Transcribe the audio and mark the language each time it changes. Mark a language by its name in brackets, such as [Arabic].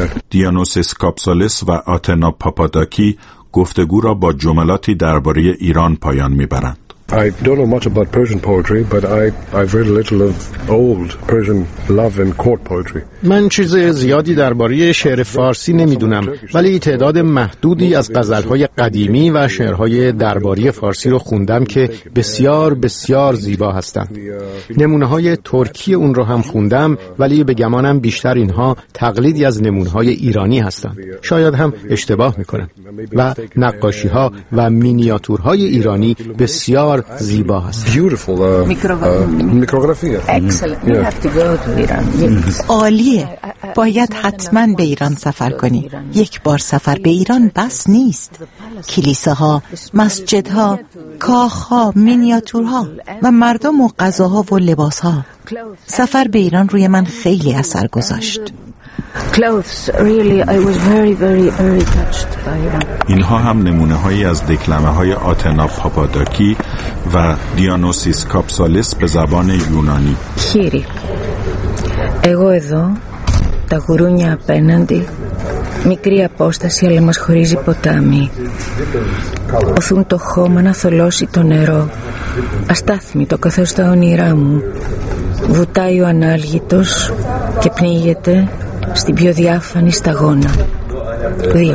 [Persian] دیانوسیس کاپسالیس و آتنا پاپاداکی گفتگو را با جملاتی درباره ایران پایان می‌برند. [English] I don't know much about Persian poetry, but I've read a little of old Persian love and court poetry. [Persian] من چیز زیادی درباره شعر فارسی نمیدونم، ولی تعداد محدودی از غزل‌های قدیمی و شعرهای درباری فارسی رو خوندم که بسیار بسیار زیبا هستند. نمونه‌های ترکی اون رو هم خوندم، ولی به گمانم بیشتر اینها تقلیدی از نمونه‌های ایرانی هستند. شاید هم اشتباه می‌کنم. و نقاشی‌ها و مینیاتورهای ایرانی بسیار زیبا هست. [English] Beautiful. Micrography. Excellent. You have to go to Iran. [Persian] عالیه. باید حتما به ایران سفر کنی. یک بار سفر به ایران بس نیست. کلیساها، مسجدها، کاخها، مینیاتورها و مردم و غذاها و لباسها. سفر به ایران روی من خیلی اثر گذاشت. [English] Clothes really I was very very very touched by them. [Persian] اینها هم نمونه هایی از دکلمه های آتنا پاپاداکی و دیانوسیس کاپسالیس به زبان یونانی. Kiri. [Greek] Εγώ εδώ τα γουρούνια απέναντι μικρή απόσταση αλλά μας χωρίζει ποτάμι. Οθούν το χώμα να θολώσει το νερό. Αστάθμητο καθώς τα όνειρά μου. Βουτάει ο ανάλγητος και πνίγεται στην πιο διάφανη σταγόνα. 2.